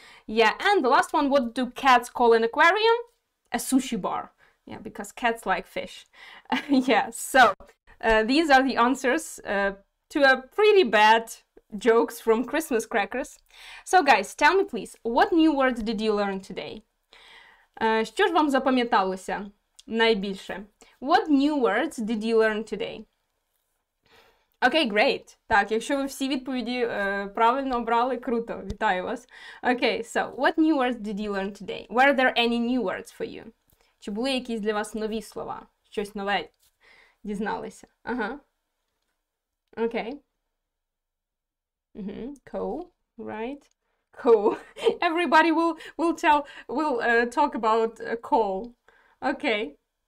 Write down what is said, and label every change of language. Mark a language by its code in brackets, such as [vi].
[en] Yeah, and the last one, what do cats call an aquarium? A sushi bar. Yeah, because cats like fish. Yeah, so these are the answers to a pretty bad jokes from Christmas crackers. So guys, tell me please, what new words did you learn today? [uk] Що ж вам запам'яталося найбільше? [en] What new words did you learn today? Okay, great. [uk] Так, якщо ви всі відповіді правильно обрали, круто, вітаю вас. [en] Okay, so what new words did you learn today? Were there any new words for you? [uk] Чи були якісь для вас нові слова? Щось нове дізналися? Ага. Окей. [en] Cool. Right. Cool. Everybody will talk about call. Окей.